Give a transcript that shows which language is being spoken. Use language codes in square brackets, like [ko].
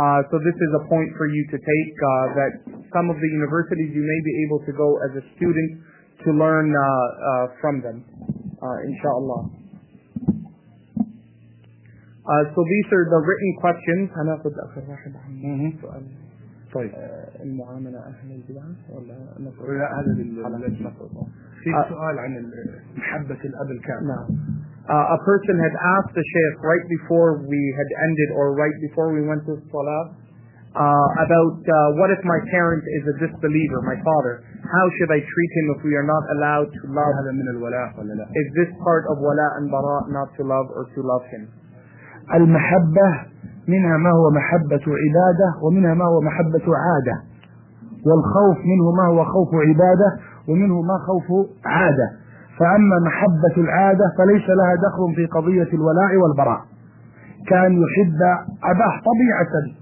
[en] So this is a point for you to take, that some of the universities you may be able to go as a student to learn from them. Inshallah. So these are the written questions. [ar] أنا أخذ آخر واحد عن سؤال. طيب. المعاملة أهل البدعة ولا نفر؟ لا هذا في سؤال عن محبة الأب الكامل. نعم. [en] A person had asked the Shaykh right before we had ended or right before we went to Salah about what if my parent is a disbeliever, my father? How should I treat him if we are not allowed to love him? Is this part of wala and bara not to love or to love him? [ar] المحبة منها ما هو محبة عبادة ومنها ما هو محبة عادة والخوف منه ما هو خوف عبادة ومنه ما خوف عادة فأما محبة العادة فليس لها دخل في قضية الولاء والبراء كان يحب أباه طبيعة